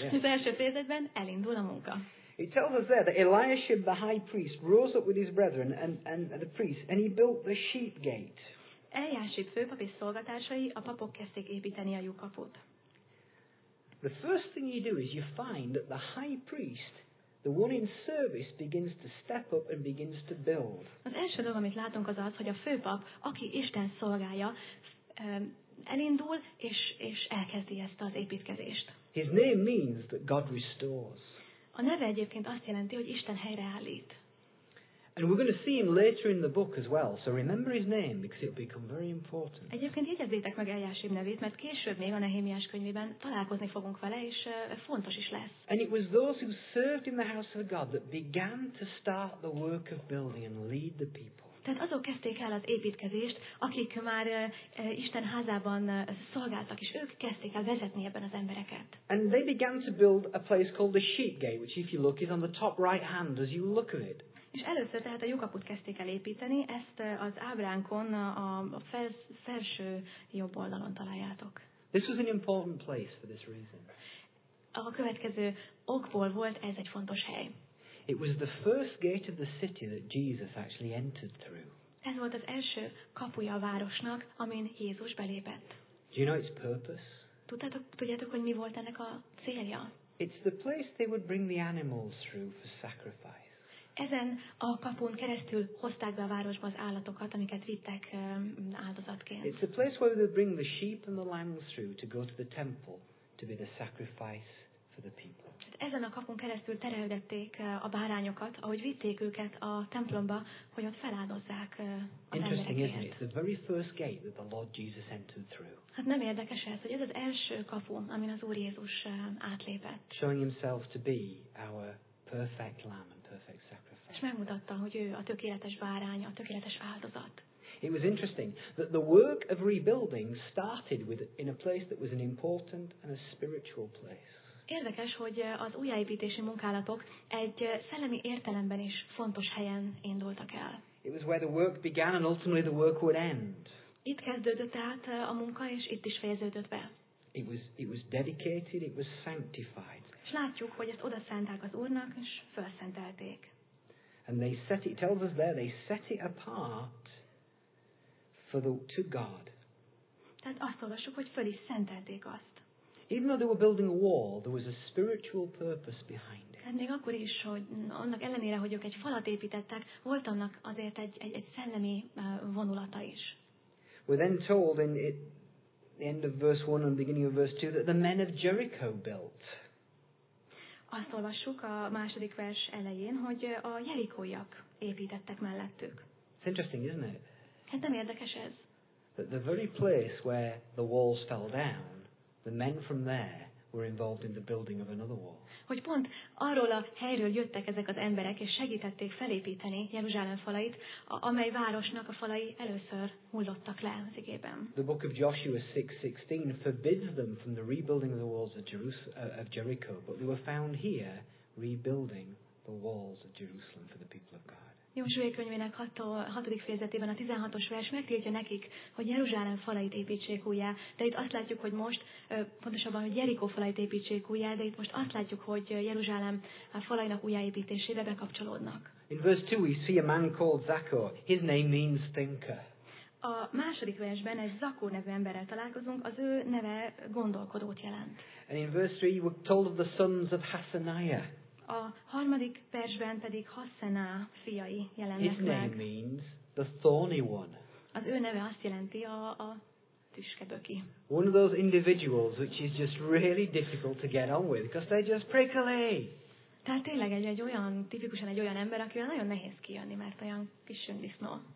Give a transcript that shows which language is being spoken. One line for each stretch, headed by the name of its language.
Hungarian: Az első fejezetben elindul a munka.
English: It tells us there that Eliashib the high priest rose up with his brethren and the priests, and he built the sheep gate.
Hungarian: Eliashib főpap és szolgatársai, a papok kezdték építeni a lyukkaput.
English: The first thing you do is you find that the high priest, the one in service, begins to step up and begins to build.
Hungarian: Az első dolog, amit látunk, az az, hogy a főpap, aki Isten szolgálja, elindul és elkezdi ezt az építkezést.
English: His name means that God restores.
Hungarian: A neve egyébként azt jelenti, hogy Isten helyreállít.
English: And we're going to see him later in the book as well, so remember his name because it'll become very important.
Hungarian: Egyébként jegyezzétek meg Eliashib nevét, mert később még a Nehémiás könyvében találkozni fogunk vele, és fontos is lesz.
English: And it was those who served in the house of God that began to start the work of building and lead the people.
Hungarian: Tehát azok kezdték el az építkezést, akik már Isten házában szolgáltak, és ők kezdték el vezetni ebben az embereket.
English: And they began to build a place called the Sheep Gate, which if you look is on the top right hand as you look at it.
Hungarian: És először tehát a lyukaput kezdték el építeni, ezt az ábránkon a felső jobb oldalon találjátok.
English: This was an important place for this reason.
Hungarian: A következő okból volt ez egy fontos hely.
English: It was the first gate of the city that Jesus actually entered through.
Hungarian: Ez volt az első kapuja a városnak, amin Jézus belépett.
English: Do you know its purpose?
Hungarian: Tudjátok, hogy mi volt ennek a célja?
English: It's the place they would bring the animals through for sacrifice.
Hungarian: Ezen a kapun keresztül hozták be a városba az állatokat, amiket vittek áldozatként.
English: It's the place where they would bring the sheep and the lambs through to go to the temple to be the sacrifice for the people.
Hungarian: Ezen a kapun keresztül terelgették a bárányokat, ahogy vitték őket a templomba, hogy ott feláldozzák az
English: Interesting,
Hungarian: emberekért.
English: Isn't it? The very first gate that the Lord Jesus entered through.
Hungarian: Hát nem érdekes ez, hogy ez az első kapu, amin az Úr Jézus átlépett.
English: Showing himself to be our perfect lamb and perfect sacrifice.
Hungarian: És megmutatta, hogy ő a tökéletes bárány, a tökéletes áldozat.
English: It was interesting that the work of rebuilding started with in a place that was an important and a spiritual place.
Hungarian: Érdekes, hogy az újjáépítési munkálatok egy szellemi értelemben is fontos helyen indultak el.
English: It was where the work began and ultimately the work would end.
Hungarian: Itt kezdődött át a munka, és itt is fejeződött be.
English: It was dedicated, it was sanctified.
Hungarian: És látjuk, hogy ezt oda szánták az Úrnak, és felszentelték.
English: And they set it, tells us there, they set it apart for the to God.
Hungarian: Tehát azt olvassuk, hogy föl is szentelték azt.
English: Even though they were building a wall, there was a spiritual purpose behind it.
Hungarian: Még akkor is, hogy annak ellenére, hogy ők egy falat építettek, volt annak azért egy szellemi vonulata is.
English: We're then told in the end of verse 1 and beginning of verse 2 that the men of Jericho built.
Hungarian: Azt olvassuk a második vers elején, hogy a jerikóiak építettek mellettük.
English: It's interesting, isn't it?
Hungarian: Hát nem érdekes ez?
English: That the very place where the walls fell down, the men from there were involved in the building of another wall.
Hungarian: Hogy pont arról a helyről jöttek ezek az emberek, és segítették felépíteni Jeruzsálem falait, amely városnak a falai először hullottak le az igében.
English: The book of Joshua 6:16 forbids them from the rebuilding of the walls of Jericho, but they were found here rebuilding the walls of Jerusalem for the people of God.
Hungarian: Józsué könyvének 6. fejezetében a 16-os vers megtiltja nekik, hogy Jeruzsálem falait építsék újjá, de itt azt látjuk, hogy most, pontosabban, hogy Jerikó falait építsék újjá, de itt most azt látjuk, hogy Jeruzsálem falainak újjáépítésébe bekapcsolódnak.
English: In verse 2 we see a man called Zachor. His name means thinker.
Hungarian: A második versben egy Zakó nevű emberrel találkozunk, az ő neve gondolkodót jelent.
English: And in verse 3 we're told of the sons of Hasaniah.
Hungarian: A harmadik versben pedig Hassená fiai jelennek
English: His name
Hungarian: meg.
English: Means the thorny one.
Hungarian: Az ő neve azt jelenti a tüskeböki.
English: One of those individuals which is just really difficult to get on with because they're just prickly.
Hungarian: Tehát tényleg egy olyan, tipikusan egy olyan ember, akivel nagyon nehéz kijönni, mert olyan kis sündisznó.